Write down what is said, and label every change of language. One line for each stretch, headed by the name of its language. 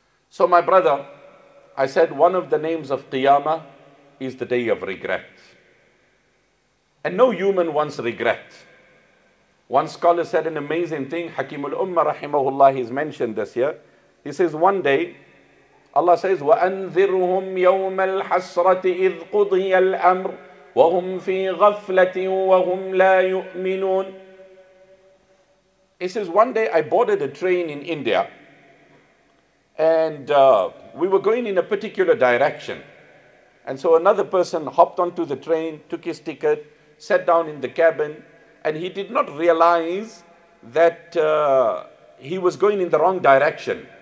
English: So my brother, I said one of the names of Qiyamah is the day of regret. And no human wants regret. One scholar said an amazing thing. Hakim al-Ummah rahimahullah, he's mentioned this here. He says one day, Allah says,
Arabic: وَأَنذِرْهُمْ يَوْمَ الْحَسْرَةِ إِذْ قُضِيَ الْأَمْرِ وَهُمْ فِي غَفْلَةٍ وَهُمْ لَا يُؤْمِنُونَ.
English: He says, one day I boarded a train in India and we were going in a particular direction. And so another person hopped onto the train, took his ticket, sat down in the cabin, and he did not realize that he was going in the wrong direction.